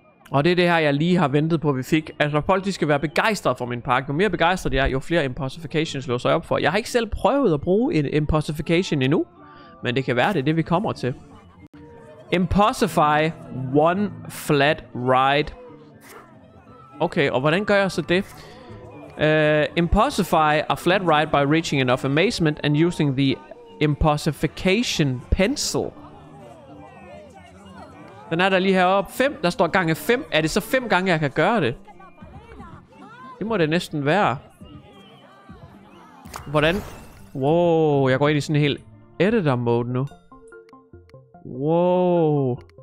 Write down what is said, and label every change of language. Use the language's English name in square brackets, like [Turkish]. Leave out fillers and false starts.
[Danish] Og det er det her, jeg lige har ventet på, at vi fik. Altså, folk, de skal være begejstret for min park. Jo mere begejstret jeg er, jo flere impossifications låser jeg op for. Jeg har ikke selv prøvet at bruge en impossification endnu. Men det kan være, det er det, vi kommer til. [English] Impossify one flat ride. [Danish] Okay, og hvordan gør jeg så det? [English] Impossify a flat ride by reaching enough amazement and using the impossification pencil. [Danish] Den er der lige heroppe. 5. Der står gange 5. Er det så 5 gange, jeg kan gøre det? Det må det næsten være. Hvordan? Wow, jeg går ind i sådan en hel editor mode nu. Wow.